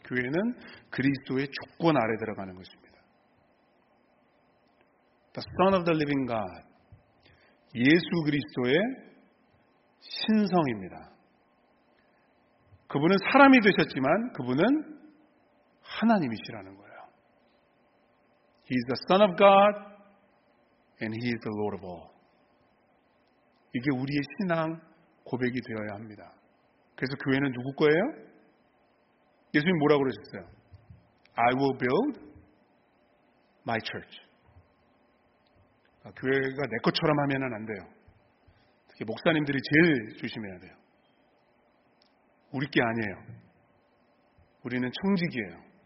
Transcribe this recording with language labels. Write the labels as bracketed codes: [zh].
[ko] 교회는 그리스도의 주권 아래 들어가는 것입니다. [en] The Son of the Living God. [ko] 예수 그리스도의 신성입니다. 그분은 사람이 되셨지만 그분은 하나님이시라는 거예요. [en] He is the Son of God and He is the Lord of all. [ko] 이게 우리의 신앙 고백이 되어야 합니다. 그래서 교회는 누구 거예요? 예수님 뭐라고 그러셨어요? [en] I will build my church. [ko] 교회가 내 것처럼 하면은 안 돼요. 특히 목사님들이 제일 조심해야 돼요. 우리 게 아니에요. 우리는 청직이에요.